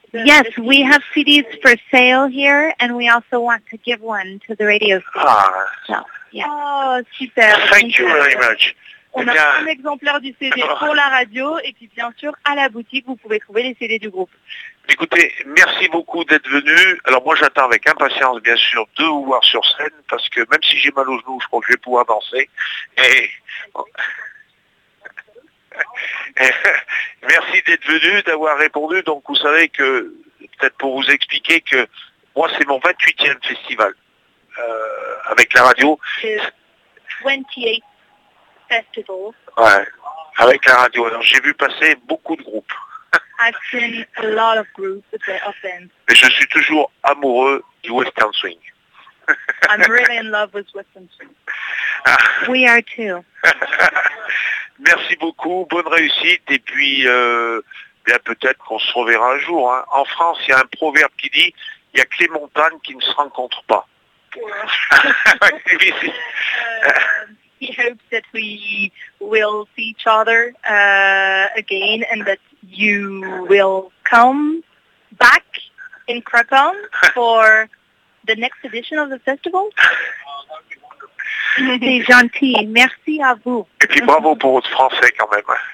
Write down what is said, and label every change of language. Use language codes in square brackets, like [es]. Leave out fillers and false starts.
[en] Yes, we have CDs for sale here, and we also want to give one to the radio station. Ah, so, yeah. [fr] Oh, super. [en] Thank you very much. [fr] On a un exemplaire du CD pour la radio, et puis bien sûr, à la boutique, vous pouvez trouver les CD du groupe. Écoutez, merci beaucoup d'être venu. Alors moi, j'attends avec impatience, bien sûr, de vous voir sur scène, parce que même si j'ai mal aux genoux, je crois que je vais pouvoir danser. Et... Merci d'être venu, d'avoir répondu. Donc vous savez que, peut-être pour vous expliquer que moi c'est mon 28e festival avec la radio. 28 festival. Ouais, avec la radio. Alors j'ai vu passer beaucoup de groupes. [en] I've seen a lot of groups of them. [fr] Et je suis toujours amoureux du Western Swing. [en] I'm really in love with Western Swing. Ah. We are too. [fr] Merci beaucoup, bonne réussite, et puis bien peut-être qu'on se reverra un jour. Hein. En France, il y a un proverbe qui dit, il n'y a que les montagnes qui ne se rencontrent pas. Ouais. [en] he hopes that we will see each other again, and that you will come back in Krakow for the next edition of the festival. [fr] C'est gentil, merci à vous. Et puis bravo pour votre français quand même.